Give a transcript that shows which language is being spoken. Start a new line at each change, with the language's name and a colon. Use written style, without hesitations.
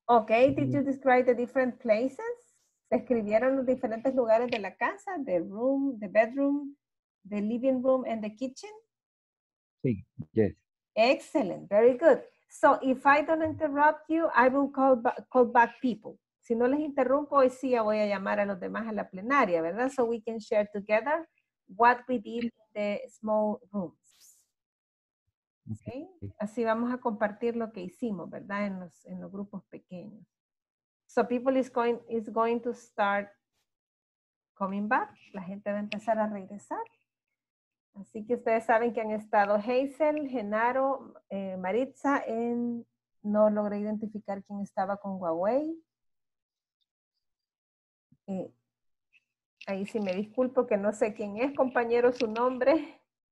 English: Okay, did you describe the different places?
Spanish: ¿Describieron los diferentes lugares de la casa?
English: The room, the bedroom, the living room, and the kitchen?
Spanish: Sí,
English: yes. Excellent, very good. So if I don't interrupt you, I will call back people.
Spanish: Si no les interrumpo, hoy sí voy a llamar a los demás a la plenaria, ¿verdad?
English: So we can share together what we did in the small rooms. Okay?
Spanish: Así vamos a compartir lo que hicimos, ¿verdad? En los grupos pequeños.
English: So people is going to start coming back.
Spanish: La gente va a empezar a regresar. Así que ustedes saben que han estado Hazel, Genaro, Maritza, no logré identificar quién estaba con Huawei. Ahí sí me disculpo que no sé quién es, compañero, su nombre.